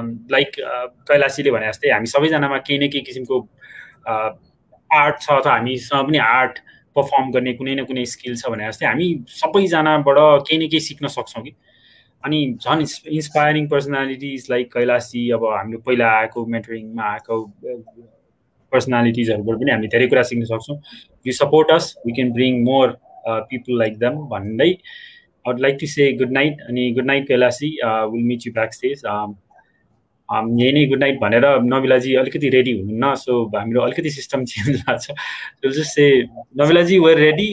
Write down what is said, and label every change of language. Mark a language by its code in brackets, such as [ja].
[ne] Like कैलाशीले भने जस्तै हामी सबैजनामा केही न केही किसिमको आर्ट छ अथवा हामीसँग पनि आर्ट पर्फर्म गर्ने कुनै न कुनै स्किल छ भने जस्तै हामी सबैजनाबाट केही न केही सिक्न सक्छौँ कि. अनि झन् इन्सपायरिङ पर्सनालिटिज लाइक कैलाशी, अब हामीले पहिला आएको मेन्टरिङमा आएको पर्सनालिटिजहरूबाट पनि हामी धेरै कुरा सिक्न सक्छौँ. [en] You support us, we can bring more people like them भन्दै I would like to say good night. अनि good night Kailashi, will meet you back stage. [ne] यही नै गुड नाइट भनेर नविलाजी अलिकति रेडी हुनुहुन्न, सो हाम्रो अलिकति सिस्टम चेन्ज भएको छ. [en] Just say नविलाजी we're ready.